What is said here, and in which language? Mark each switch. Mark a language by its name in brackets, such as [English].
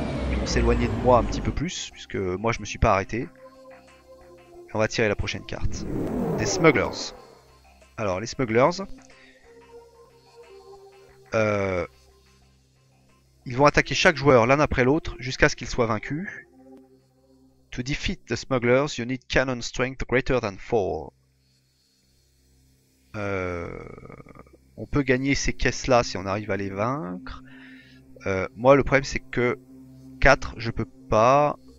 [French] Ils vont s'éloigner de moi un petit peu plus, puisque moi, je me suis pas arrêté. Et on va tirer la prochaine carte. Des smugglers. Alors, les smugglers. Ils vont attaquer chaque joueur l'un après l'autre, jusqu'à ce qu'ils soient vaincus. [English] To defeat the smugglers, you need cannon strength greater than 4. [French] On peut gagner ces caisses-là si on arrive à les vaincre. Moi, le problème, c'est que 4, je peux pas.